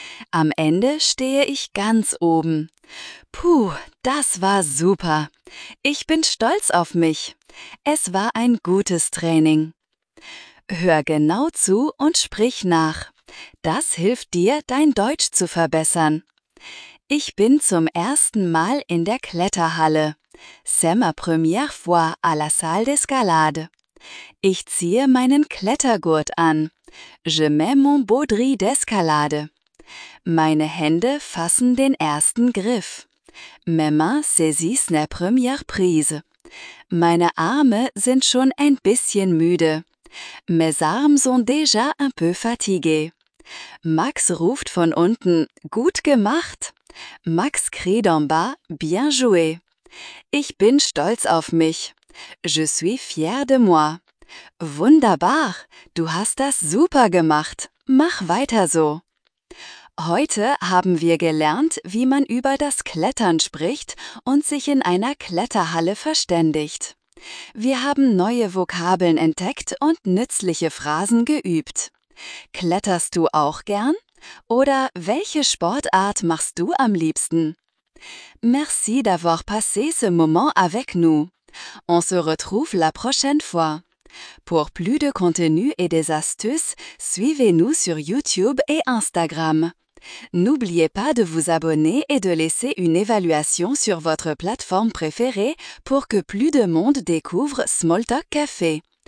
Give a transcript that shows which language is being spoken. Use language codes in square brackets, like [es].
[de] Am Ende stehe ich ganz oben. Puh, das war super. Ich bin stolz auf mich. Es war ein gutes Training. Hör genau zu und sprich nach. Das hilft dir, dein Deutsch zu verbessern. Ich bin zum ersten Mal in der Kletterhalle. [fr] C'est ma première fois à la salle d'escalade. [de] Ich ziehe meinen Klettergurt an. [fr] Je mets mon baudri d'escalade. [de] Meine Hände fassen den ersten Griff. [fr] Mes mains saisissent la première prise. [de] Meine Arme sind schon ein bisschen müde. [fr] Mes armes sont déjà un peu fatigués. [de] Max ruft von unten, gut gemacht. [fr] Max crie d'en bas, bien joué. [de] Ich bin stolz auf mich. [fr] Je suis fier de moi. [de] Wunderbar, du hast das super gemacht. Mach weiter so. Heute haben wir gelernt, wie man über das Klettern spricht und sich in einer Kletterhalle verständigt. Wir haben neue Vokabeln entdeckt und nützliche Phrasen geübt. Kletterst du auch gern? Oder welche Sportart machst du am liebsten? [fr] Merci d'avoir passé ce moment avec nous. On se retrouve la prochaine fois. Pour plus de contenu et des astuces, suivez-nous sur YouTube et Instagram. N'oubliez pas de vous abonner et de laisser une évaluation sur votre plateforme préférée pour que plus de monde découvre Smalltalk Café.